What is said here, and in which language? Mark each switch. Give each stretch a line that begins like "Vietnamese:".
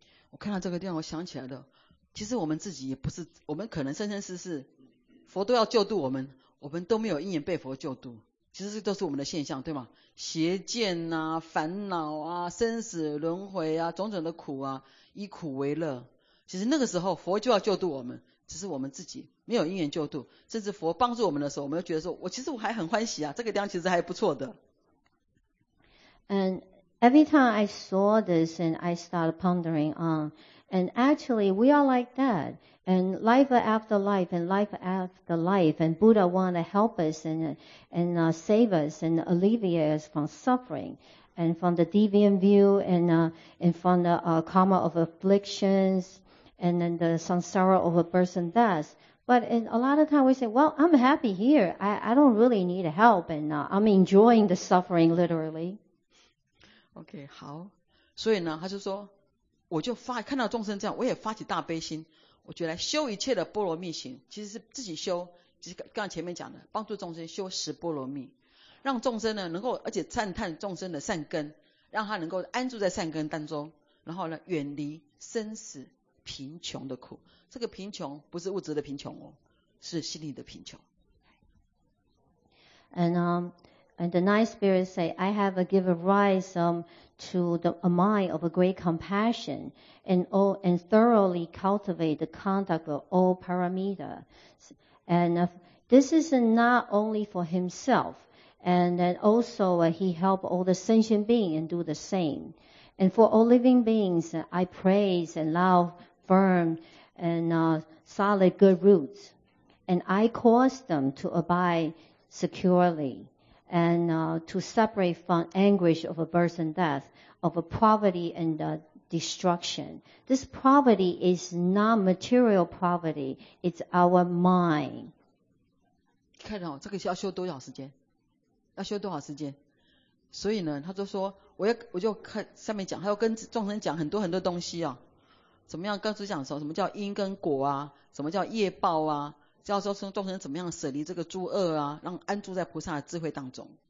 Chinese: 我看到这个地方，我想起来了，其实我们自己也不是，我们可能生生世世佛都要救度我们，我们都没有因缘被佛救度，其实这都是我们的现象，对吗？邪见啊，烦恼啊，生死轮回啊，种种的苦啊，以苦为乐，其实那个时候佛就要救度我们，只是我们自己没有因缘救度，甚至佛帮助我们的时候，我们又觉得说我其实我还很欢喜啊，这个地方其实还不错的。
English: And every time I saw this and I started pondering on, and actually we are like that, and life after life and life after life, and Buddha want to help us and save us and alleviate us from suffering. And from the deviant view and from the karma of afflictions and then the samsara of a person's death. But in a lot of times we say, well, I'm happy here. I don't really need help and I'm enjoying the suffering literally.
Chinese: Okay, 好。所以呢他就说我就发看到众生这样我也发起大悲心。我觉得来修一切的波罗蜜行其实是自己修就是刚才前面讲的帮助众生修十波罗蜜。让众生呢能够而且赞叹众生的善根，让他能够安住在善根当中，然后呢远离生死贫穷的苦。这个贫穷不是物质的贫穷哦，是心理的贫穷。
English: And the nine spirits say, I have given rise to the a mind of a great compassion and thoroughly cultivate the conduct of all paramita. And this is not only for himselfAnd then also, he helped all the sentient beings and do the same. And for all living beings, I praise and love firm and solid good roots. And I cause them to abide securely and to separate from anguish of a birth and death, of a poverty and destruction. This poverty is not material poverty. It's our mind.
Chinese: 看到这个要修多少时间？要修多少时间？所以呢，他就说，我就看上面讲，他要跟众生讲很多很多东西啊，怎么样？刚才讲说什么叫因跟果啊，什么叫业报啊？叫说众生怎么样舍离这个诸恶啊，让安住在菩萨的智慧当中。